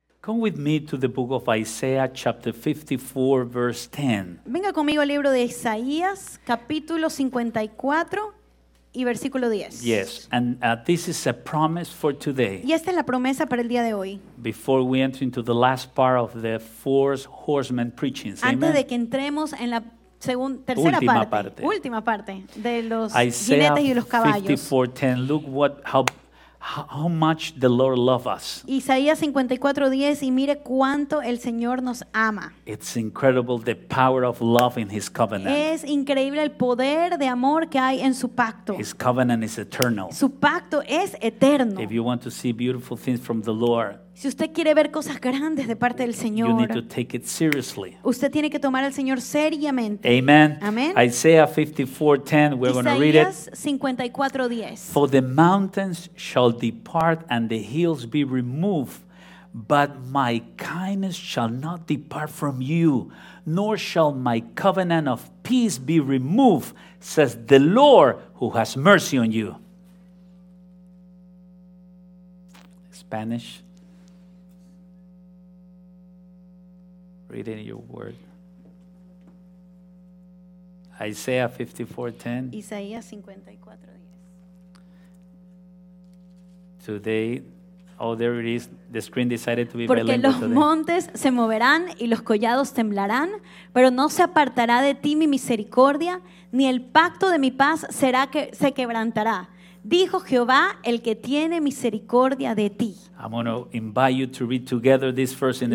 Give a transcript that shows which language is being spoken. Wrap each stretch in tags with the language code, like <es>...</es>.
<en>Come with me to the book of Isaiah, chapter 54, verse 10.</en> <es>Venga conmigo al libro de Isaías, capítulo 54 y versículo 10.</es> <en>Yes, and this is a promise for today.</en> <es>Y esta es la promesa para el día de hoy.</es> <en>Before we enter into the last part of the four horsemen preachings.</en> <es>Antes</es> <en>amen.</en> <es>De que entremos en la tercera parte. Última parte de los</es> <en>Isaiah</en> <es>jinetes y los caballos.</es> <en>Isaiah 54:10. Look how much the Lord loves us.</en> <es>Isaías 54:10 y mire cuánto el Señor nos ama.</es> <en>It's incredible the power of love in His covenant.</en> <es>Es increíble el poder de amor que hay en su pacto.</es> <en>His covenant is eternal.</en> <es>Su pacto es eterno.</es> <en>If you want to see beautiful things from the Lord.</en> <es>Si usted quiere ver cosas grandes de parte del Señor,</es> <en>you need to take it seriously.</en> <es>Usted tiene que tomar al Señor seriamente.</es> <en>Amen.</en> <es>Amén.</es> <en>Isaiah 54:10, we're going to read it.</en> <es>Isaías 54:10.</es> <en>For the mountains shall depart and the hills be removed, but my kindness shall not depart from you, nor shall my covenant of peace be removed, says the Lord who has mercy on you. Spanish. Read in your word. Isaiah 54:10.</en> <es>Isaías 54:10.</es> <en>Today, oh, there it is. The screen decided to be bilingual.</en> <es>Porque los montes se moverán y los collados temblarán, pero no se apartará de ti mi misericordia, ni el pacto de mi paz será que se quebrantará. Dijo Jehová, el que tiene misericordia de ti.</es> <en>I'm going to invite you to read together this verse in</en>